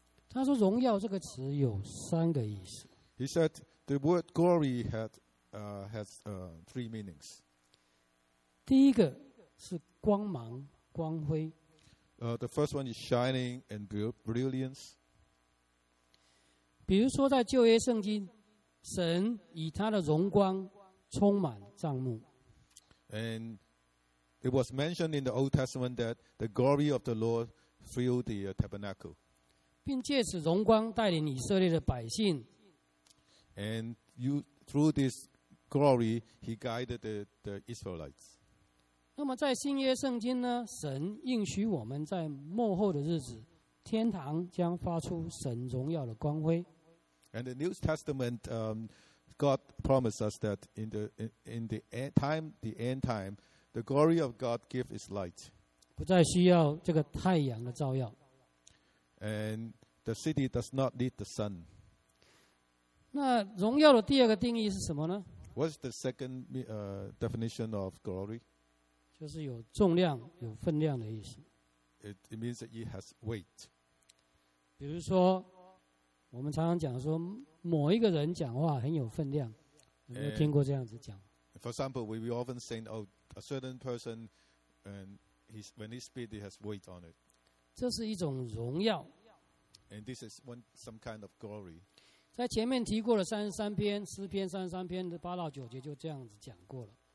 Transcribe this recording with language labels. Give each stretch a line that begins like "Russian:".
Chinese: 他说荣耀这个词有三个意思。
English: He said the word glory has three meanings.
Chinese: 第一个是光芒光辉。
English: The first one is shining and brilliance.
Chinese: 比如说在旧约圣经，神以他的荣光充满帐幕。
English: And it was mentioned in the Old Testament that the glory of the Lord filled the tabernacle.
Chinese: 并借此荣光带领以色列的百姓。
English: And you, through this glory, he guided the Israelites.
Chinese: 那么在新约圣经呢，神应许我们在末后的日子，天堂将发出神荣耀的光辉。
English: And the New Testament God promised us that in the end time, the glory of God gives its light.
Chinese: 不再需要这个太阳的照耀。
English: And the city does not need the sun.
Chinese: 那荣耀的第二个定义是什么呢？
English: What's the second definition of glory?
Chinese: 就是有重量、有分量的意思。
English: It means that it has weight.
Chinese: 比如说，我们常常讲说某一个人讲话很有分量，有没有听过这样子讲？
English: For example, we often say, a certain person, and when he speaks, he has weight on it.
Chinese: 这是一种荣耀。
English: And this is some kind of glory.
Chinese: 在前面提过的三十三篇诗篇三十三篇的八到九节就这样子讲过了。